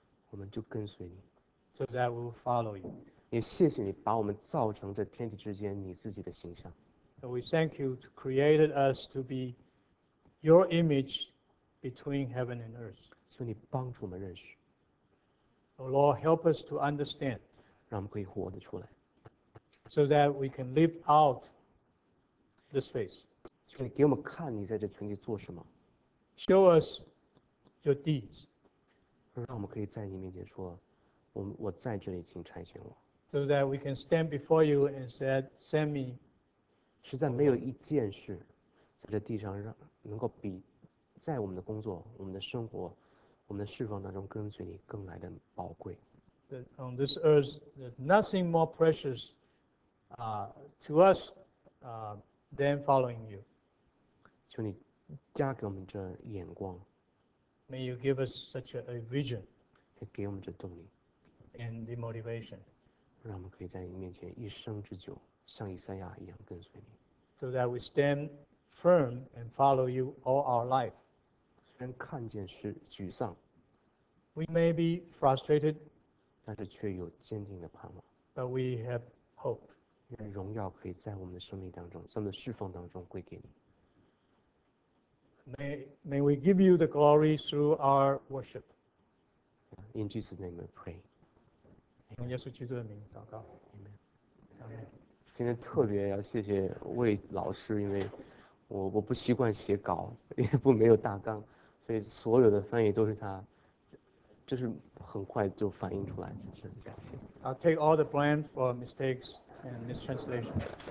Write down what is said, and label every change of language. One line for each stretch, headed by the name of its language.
Chinese: 我们就跟随你。
English: So that we will follow you.
Chinese: 也谢谢你把我们造成这天地之间你自己的形象。
English: And we thank you to created us to be your image between heaven and earth.
Chinese: 求你帮助我们认识。
English: Oh Lord, help us to understand.
Chinese: 让我们可以活得出来。
English: So that we can live out this faith.
Chinese: 求你给我们看你在这群体做什么。
English: Show us your deeds.
Chinese: 让我们可以在你面前说，我在这里，请差遣我。
English: So that we can stand before you and said, "Send me."
Chinese: 实在没有一件事，在这地上能够比在我们的工作、我们的生活、我们的侍奉当中跟随你更来的宝贵。
English: That on this earth, that nothing more precious, to us, than following you.
Chinese: 求你加给我们这眼光。
English: May you give us such a vision.
Chinese: 也给我们这动力。
English: And the motivation.
Chinese: 让我们可以在你面前一生之久，像以赛亚一样跟随你。
English: So that we stand firm and follow you all our life.
Chinese: 虽然看见是沮丧。
English: We may be frustrated.
Chinese: 但是却有坚定的盼望。
English: But we have hope.
Chinese: 愿荣耀可以在我们的生命当中，在我们的侍奉当中归给你。
English: May we give you the glory through our worship. In Jesus' name we pray.
Chinese: 用耶稣基督的名祷告。
English: Amen.
Chinese: 今天特别要谢谢魏老师，因为我不习惯写稿，也不没有大纲，所以所有的翻译都是他，就是很快就反映出来，真是感谢。
English: I'll take all the blame for mistakes and mistranslation.